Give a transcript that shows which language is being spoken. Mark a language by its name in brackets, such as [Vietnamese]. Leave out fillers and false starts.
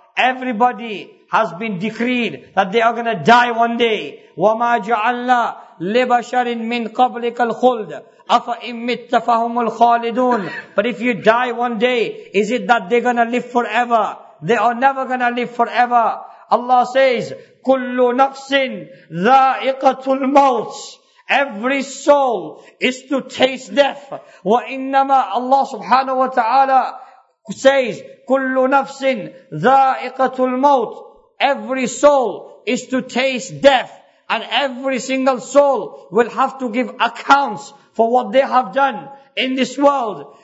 [English] Everybody has been decreed that they are going to die one day. [Arabic] وَمَا جَعَلْنَا لِبَشَرٍ مِّن قَبْلِكَ الْخُلْدِ أَفَإِن مِتَّ فَهُمُ الْخَالِدُونَ. [English] But if you die one day, is it that they're going to live forever? They are never going to live forever. Allah says, [Arabic] كُلُّ نَفْسٍ ذَائِقَةُ الْمَوْتِ. [English] Every soul is to taste death. [Arabic] وَإِنَّمَا, [English] Allah subhanahu wa ta'ala says, [Arabic] كُلُّ نَفْسٍ ذَائِقَةُ الْمَوْتِ. [English] Every soul is to taste death. And every single soul will have to give accounts for what they have done in this world.